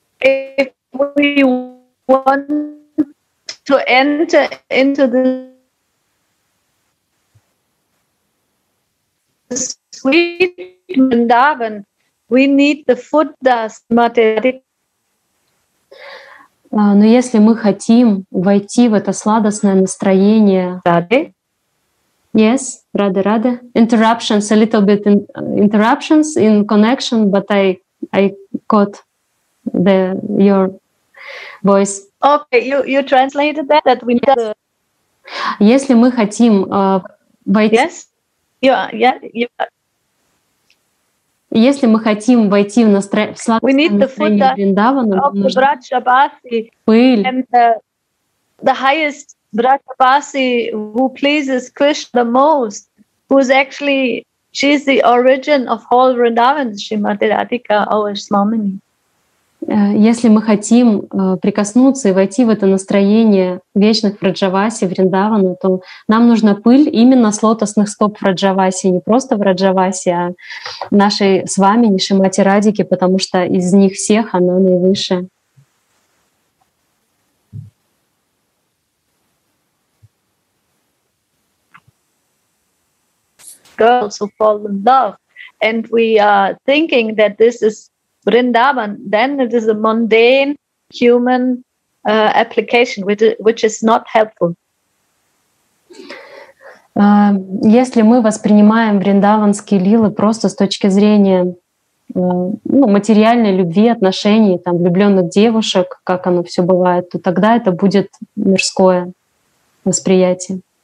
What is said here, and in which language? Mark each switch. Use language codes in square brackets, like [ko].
[en] If we want to enter into the sweet Vrindavan, we need the foot dust material. [ru] Но если мы хотим войти в это сладостное настроение... Rade? [en] Yes, Rade, Rade. Interruptions, a little bit in, interruptions in connection, but I caught the your voice. Okay, you translated that, that we need... [ru] Если мы хотим войти... [en] Yes, [ru] Если мы хотим войти в сладкое настроение Вриндавана, мы должны пыль. [en] And the highest Брачабаси, who pleases Krishna the most, who is actually, she is the origin of all Vrindavan, Shrimati Radhika, our Swamini. [ru] Если мы хотим прикоснуться и войти в это настроение вечных Враджаваси, Вриндавана, то нам нужна пыль именно с лотосных стоп Враджаваси, не просто Враджаваси, а нашей с вами, нашей Мати Радики, потому что из них всех она наивысшая. [en] Girls who fall in love, and we are thinking that this is Vrindavan, then it is a mundane human application, which is not helpful. [ru] Если мы воспринимаем вриндаванские лилы просто с точки зрения материальной любви, отношений, там, влюблённых девушек, как оно всё бывает, то тогда это будет мирское восприятие.